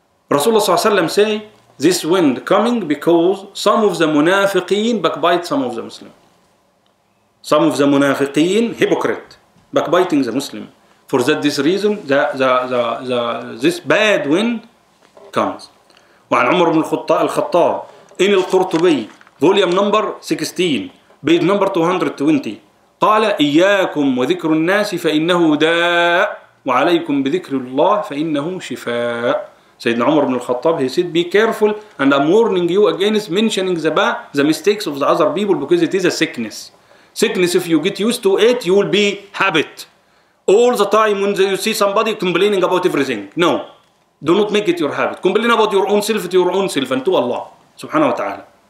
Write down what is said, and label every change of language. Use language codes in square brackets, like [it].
[en] Rasulullah sallallahu alayhi wa sallam say, this wind coming because some of the munafiqeen backbite some of the Muslim. Some of the munafiqeen, hypocrite, backbiting the Muslim. For that this reason, this bad wind comes. [ar] وعن عمر بن الخطاب إن القرطبي [en] volume number 16 page number 220 [ar] قال إياكم وذكر الناس فإنه داء وعليكم بذكر الله فإنه شفاء. [en] سيدنا عمر بن الخطاب he said be careful and I'm warning you against mentioning the mistakes of the other people because it is a sickness. Sickness if you get used to it you will be habit. All the time when you see somebody complaining about everything. No. Do not make it your habit. Complain about your own self to your own self and to Allah subhanahu wa ta'ala.